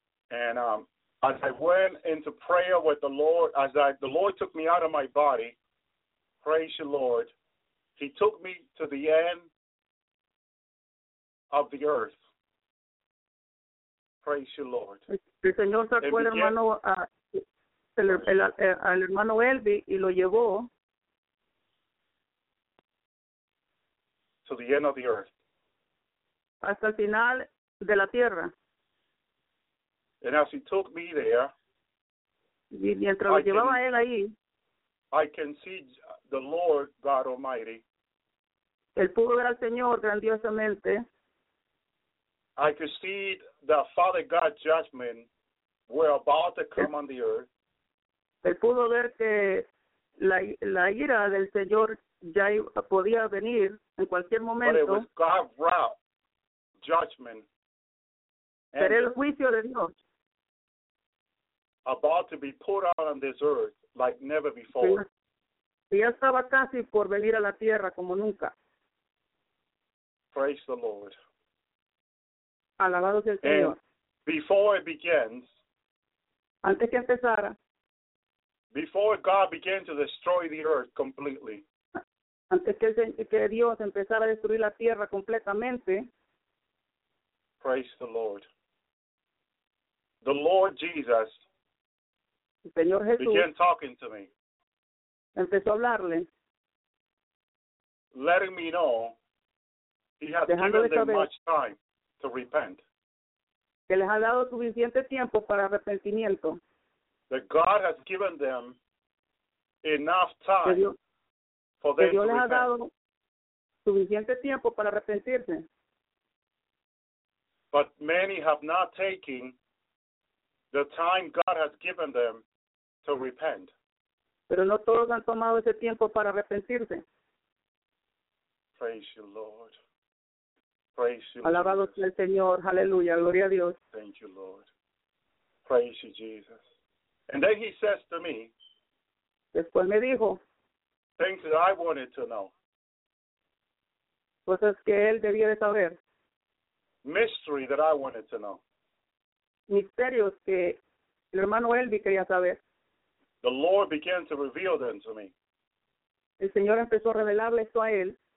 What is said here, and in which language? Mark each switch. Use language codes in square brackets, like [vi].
[en] And as I went into prayer with the Lord, as the Lord took me out of my body, praise the Lord, he took me to the end of the earth. Praise you, Lord. [es] El Señor sacó al hermano al hermano Elvi y lo llevó [en] to the end of the earth. [es] Hasta el final de la tierra. [en] And as he took me there, [es] y mientras lo llevaba él ahí, [en] I can see the Lord God Almighty. [es] El pudo ver al Señor grandiosamente. [en] I could see the Father God judgment were about to come on the earth. [es] Él pudo ver que la ira del Señor ya podía venir en cualquier momento. [en] But it was God's wrath, judgment. [es] Pero el juicio de Dios. [en] About to be put out on this earth like never before. [es] Ya estaba casi por venir a la tierra como nunca. [en] Praise the Lord. [es] Alabado sea el Señor. [en] And before it begins, [es] antes que empezara, [en] before God began to destroy the earth completely, [es] antes que Dios empezara a destruir la tierra completamente, [en] praise the Lord. The Lord Jesus, [es] el Señor Jesús, [en] began talking to me. [es] Empezó a hablarle, [en] letting me know he had given them much time to repent. [es] Que les ha dado suficiente tiempo para arrepentimiento. [en] That God has given them enough time [es] que Dios, [en] for them [es] que Dios [en] to [es] les [en] repent. [es] Ha dado suficiente tiempo para arrepentirse. [en] But many have not taken the time God has given them to repent. [es] Pero no todos han tomado ese tiempo para arrepentirse. [en] Praise you, Lord. Praise you. [es] Alabado sea el Señor. Aleluya. Gloria a Dios. [en] Thank you, Lord. Praise you, Jesus. And then he says to me, [es] después me dijo, [en] things that I wanted to know. [es] Cosas que él debía de saber. [en] Mystery that I wanted to know. [es] Misterios que el hermano Elvi quería saber. [en] The Lord began to reveal them to me. [es] El Señor empezó a revelarle esto a él.